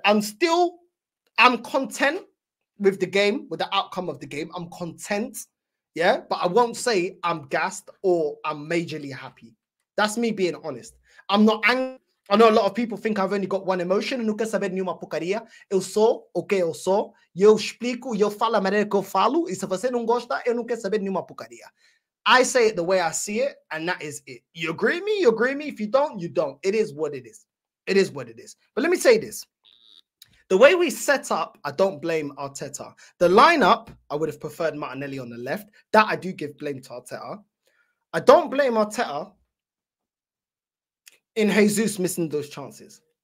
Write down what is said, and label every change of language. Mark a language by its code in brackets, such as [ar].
[en] I'm content with the game, with the outcome of the game. I'm content, yeah? But I won't say I'm gassed or I'm majorly happy. That's me being honest. I'm not angry. I know a lot of people think I've only got one emotion. [pt] Nunca saber nenhuma porcaria. Eu sou, ok, eu sou. E eu explico, e eu falo a maneira que eu falo. E se você não gosta, eu não quero saber nenhuma porcaria. [en] I say it the way I see it, and that is it. You agree with me? If you don't, you don't. It is what it is. But let me say this. The way we set up, I don't blame Arteta. The lineup, I would have preferred Martinelli on the left. That I do give blame to Arteta. I don't blame Arteta in Jesus missing those chances.